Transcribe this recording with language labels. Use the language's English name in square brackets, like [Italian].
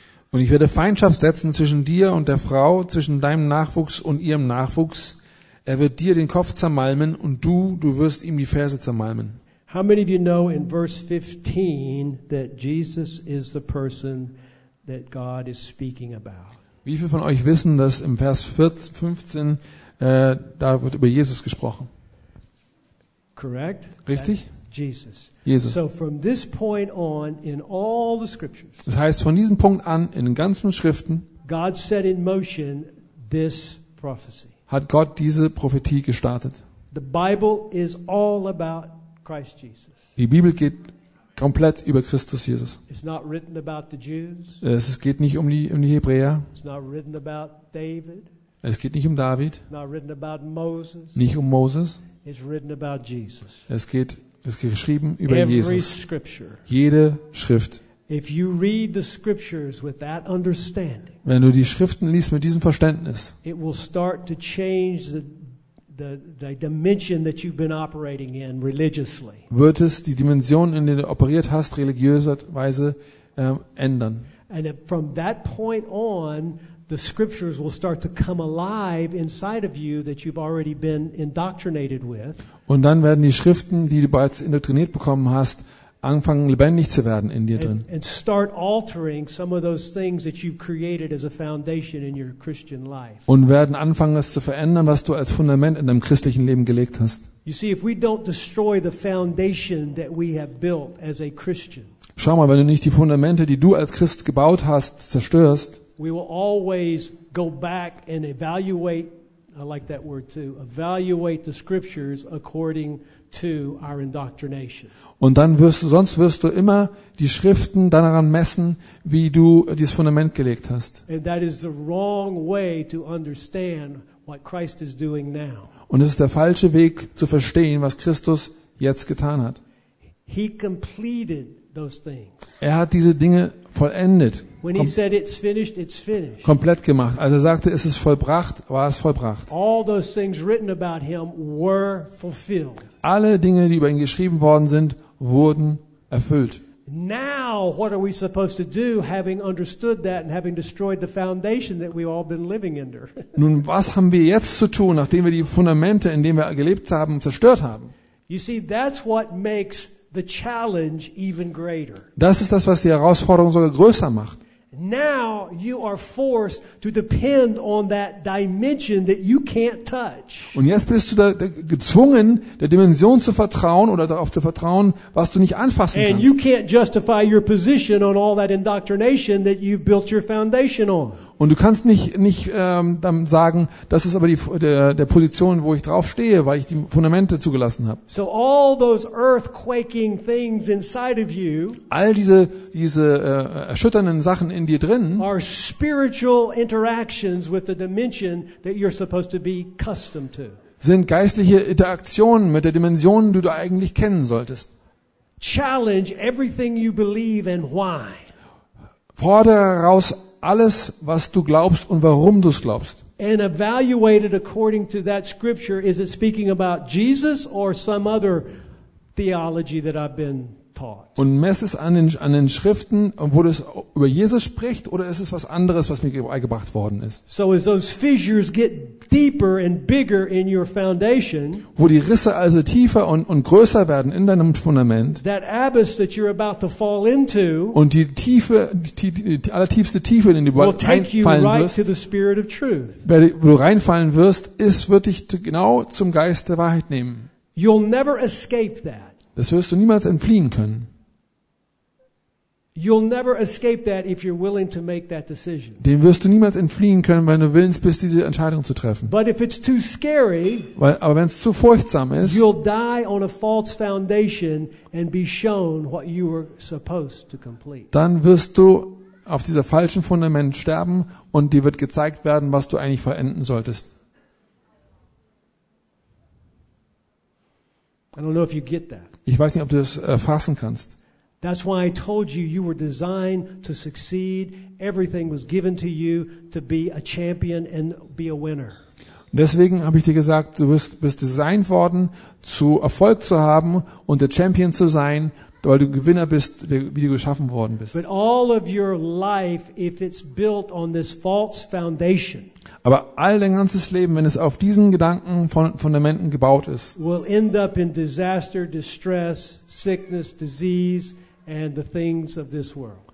[German] Und ich werde Feindschaft setzen zwischen dir und der Frau, zwischen deinem Nachwuchs und ihrem Nachwuchs. Er wird dir den Kopf zermalmen und du wirst ihm die Ferse zermalmen. [English] How many of you know in verse 15 that Jesus is the person that God is speaking about? [German] Wie viele von euch wissen, dass im Vers 15 da wird über Jesus gesprochen? [English] Correct. [German] Richtig? [English] Jesus. [German] Jesus. [English] So from this point on in all the scriptures. [German] Das heißt, von diesem Punkt an in den ganzen Schriften. [English] God set in motion this prophecy. [German] Hat Gott diese Prophetie gestartet? [English] The Bible is all about Christ Jesus. [German] Die Bibel geht komplett über Christus Jesus. [English] It's not written about the Jews. [German] Es geht nicht um die Hebräer. [English] It's not written about David. [German] Es geht nicht um David. [English] Not written about Moses. [German] Nicht um Moses. [English] It's written about Jesus. [German] Es geht geschrieben über [English] Every [German] Jesus. [English] Scripture. [German] Jede Schrift. [English] If you read the scriptures with that understanding, [German] wenn du die Schriften liest mit diesem Verständnis, [English] it will start to change the dimension that you've been operating in religiously. [German] Wird es die Dimension, in der du operiert hast, religiöserweise ändern. [English] And from that point on, the scriptures will start to come alive inside of you that you've already been indoctrinated with. [German] Und dann werden die Schriften, die du bereits indoktriniert bekommen hast, anfangen lebendig zu werden in dir drin. [English] And start altering some of those things that you've created as a foundation in your Christian life. [German] Und werden anfangen, das zu verändern, was du als Fundament in deinem christlichen Leben gelegt hast. [English] You see, if we don't destroy the foundation that we have built as a Christian. [German] Schau mal, wenn du nicht die Fundamente, die du als Christ gebaut hast, zerstörst. [English] We will always go back and evaluate, I like that word too, evaluate the scriptures according to our indoctrination. [German] Und dann wirst du immer die Schriften daran messen, wie du dieses Fundament gelegt hast. [English] And that is the wrong way to understand what Christ is doing now. [German] Und es ist der falsche Weg zu verstehen, was Christus jetzt getan hat. [English] He completed those things. [German] Er hat diese Dinge vollendet. [English] When he said it's finished, it's finished. [German] Komplett gemacht. Als er sagte, es ist vollbracht, war es vollbracht. [English] All those things written about him were fulfilled. [German] Alle Dinge, die über ihn geschrieben worden sind, wurden erfüllt. [English] Now what are we supposed to do, having understood that and having destroyed the foundation that we've all been living under? [German] Nun, was haben wir jetzt zu tun, nachdem wir die Fundamente, in denen wir gelebt haben, zerstört haben? [English] You see, that's what makes the challenge even greater. [German] Das ist das, was die Herausforderung sogar größer macht. [English] Now you are forced to depend on that dimension that you can't touch. [German] Und jetzt bist du da gezwungen, der Dimension zu vertrauen oder darauf zu vertrauen, was du nicht anfassen kannst. [English] And you can't justify your position on all that indoctrination that you've built your foundation on. [German] Und du kannst nicht dann sagen, das ist aber der Position, wo ich drauf stehe, weil ich die Fundamente zugelassen habe. [English] So all those earthquaking things inside of you, [German] all diese erschütternden Sachen in dir drin, [English] are spiritual interactions with the dimension that you're supposed to be accustomed to. [German] Sind geistliche Interaktionen mit der Dimension, die du eigentlich kennen solltest. [English] Challenge everything you believe and why. [German] Fordere heraus alles, was du glaubst und warum du es glaubst. [English] And evaluate it according to that scripture. Is it speaking about Jesus or some other theology that I've been taught? [German] Und mess es an den Schriften, wo das über Jesus spricht, oder ist es was anderes, was mir beigebracht worden ist? [English] So as those fissures get deeper and bigger in your foundation, [German] wo die Risse also tiefer und größer werden in deinem Fundament, [English] that abyss that you're about to fall into, [German] und die Tiefe, die allertiefste Tiefe, in die du reinfallen wirst, [English] to the spirit of truth. [German] Wo du reinfallen wirst, wird dich genau zum Geist der Wahrheit nehmen. [English] You'll never escape that. [German] Das wirst du niemals entfliehen können. [English] You'll never escape that if you're willing to make that decision. [German] Dem wirst du niemals entfliehen können, wenn du willens bist, diese Entscheidung zu treffen. [English] But if it's too scary, [German] aber wenn es zu furchtsam ist, [English] you'll die on a false foundation and be shown what you were supposed to complete. [German] Dann wirst du auf dieser falschen Fundament sterben und dir wird gezeigt werden, was du eigentlich verenden solltest. [English] I don't know if you get that. [German] Ich weiß nicht, ob du das erfassen kannst. [English] That's why I told you you were designed to succeed. Everything was given to you to be a champion and be a winner. [German] Deswegen habe ich dir gesagt, du bist designed worden, zu Erfolg zu haben und der Champion zu sein, weil du Gewinner bist, wie du geschaffen worden bist. [English] But all of your life, if it's built on this false foundation, [German] aber all dein ganzes Leben, wenn es auf diesen Gedanken von Fundamenten gebaut ist, [English] will end up in disaster, distress, sickness, disease and the things of this world.